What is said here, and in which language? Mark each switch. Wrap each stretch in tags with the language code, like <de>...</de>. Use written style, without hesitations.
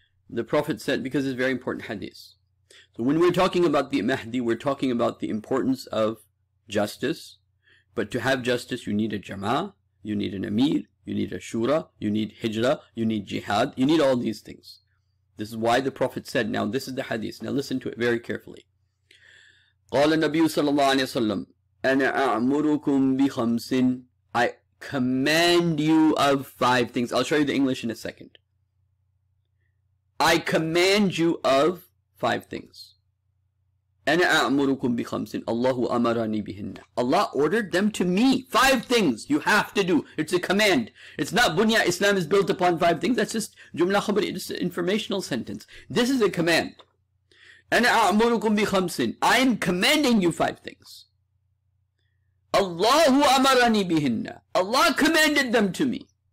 <en>The Prophet said, because it's very important hadith. So when we're talking about the Mahdi, we're talking about the importance of justice. But to have justice, you need a Jama'ah, you need an Amir, you need a Shura, you need Hijrah, you need Jihad, you need all these things. This is why the Prophet said, now this is the hadith. Now listen to it very carefully.</en> <ar>قَالَ النَّبِيُّ صَلَى اللَّهُ عَلَيْهِ وَسَلَّمْ أَنَا أَعْمُرُكُمْ بِخَمْسٍ</ar> <en>I command you of five things. I'll show you the English in a second. I command you of five things.</en> <ar>أَنَا أَعْمُرُكُمْ بِخَمْسٍ اللَّهُ أَمَرَنِي بِهِنَّ</ar> <en>Allah ordered them to me. Five things you have to do. It's a command. It's not bunya. Islam is built upon five things. That's just jumla khabari. It's an informational sentence. This is a command.</en> <ar>أَنَا أَعْمُرُكُمْ بِخَمْسٍ</ar> <en>I am commanding you five things.</en> <ar>اللَّهُ أَمَرَنِي بِهِنَّ</ar> <en>Allah commanded them to me.</en>